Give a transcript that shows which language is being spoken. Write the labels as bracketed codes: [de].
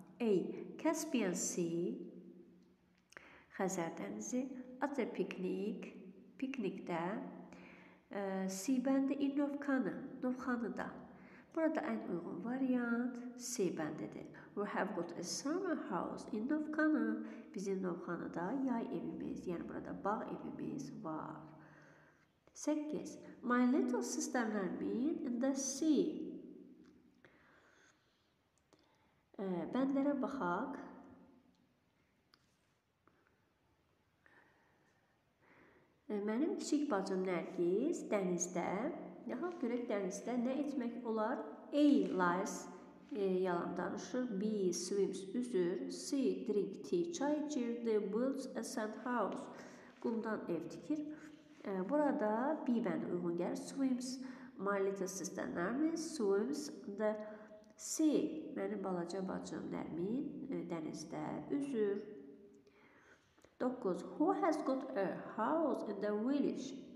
[en] A. Caspian Sea. [az] Xəzər dənizi. [en] At a picnic. [az] Piknikdə. C bəndi [en] in Novxanı. Novxanıda. [az] Burada ən uyğun variant C bəndidir. [en] We have got a summer house in Novxanı. [az] Bizim Novxanıda yay evimiz, yəni burada bağ evimiz var. 8. [en] My little sister and me in the sea. [az] Bəndlərə baxaq. Mənim kiçik bacım Nərgiz dənizdə. Yaxa görək dənizdə nə etmək olar? A. [en] Lies. [az] Yalan danışır. B. [en] Swims. [az] Üzür. C. [en] Drink tea. [az] Çay içir. D. [en] Builds a sand house. [az] Qumdan ev tikir. Burada B bənd uyğun gəlir. [en] Swims. My little sister Nermin swims the sea. [az] Mənim balaca bacım Nermin dənizdə üzür. 9. [en] Who has got a house in the village?